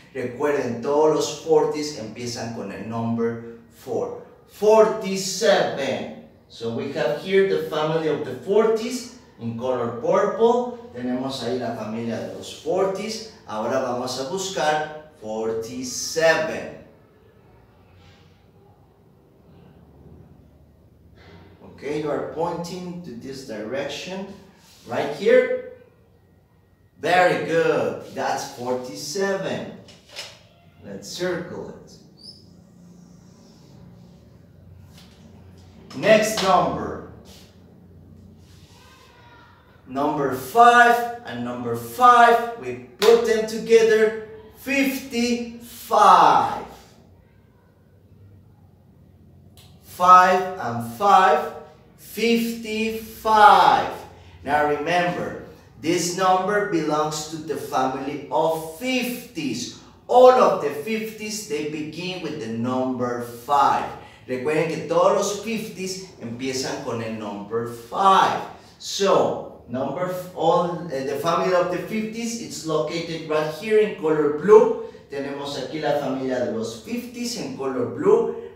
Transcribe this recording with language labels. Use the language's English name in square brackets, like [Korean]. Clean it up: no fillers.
[Spanish] Recuerden, todos los 40s empiezan con el number 4. [English] 47. So we have here the family of the 40s in color purple. [Spanish] Tenemos ahí la familia de los 40s. Ahora vamos a buscar 47. [English] Okay, you are pointing to this direction, right here. Very good. That's 47. Let's circle it. Next number. Number 5 and number 5, we put them together, 55. 5 and 5, 55. Now remember, this number belongs to the family of 50s. All of the 50s, they begin with the number 5. [Spanish] Recuerden que todos los 50s empiezan con el number 5. [English] So, number the family of the 50s, it's located right here in color blue. [Spanish] Tenemos aquí la familia de los 50s en color blue.